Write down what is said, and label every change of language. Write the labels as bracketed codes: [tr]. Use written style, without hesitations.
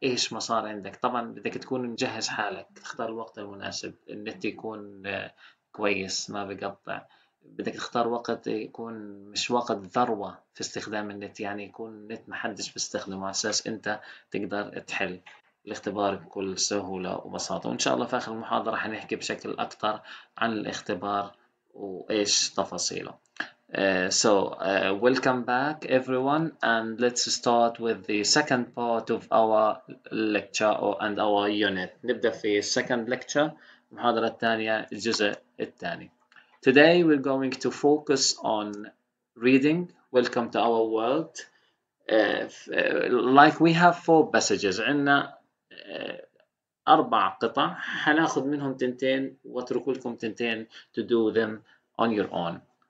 [ar] ايش ما صار عندك طبعا بدك تكون مجهز حالك، تختار الوقت المناسب، النت يكون كويس ما بقطع، بدك تختار وقت يكون مش وقت ذروة في استخدام النت، يعني يكون النت محدش بيستخدمه على اساس انت تقدر تحل الاختبار بكل سهولة وبساطة. وان شاء الله في اخر المحاضرة حنحكي بشكل اكثر عن الاختبار وايش تفاصيله. [en] Welcome back everyone, and let's start with the second part of our lecture and our unit. [ar] نبدأ في [en] second lecture، [ar] المحاضرة الثانية، الجزء الثاني. [en] Today we're going to focus on reading. Welcome to our world. Like we have four passages، [ar] عندنا أربع قطع، حناخذ منهم تنتين واترك لكم تنتين [en] to do them on your own.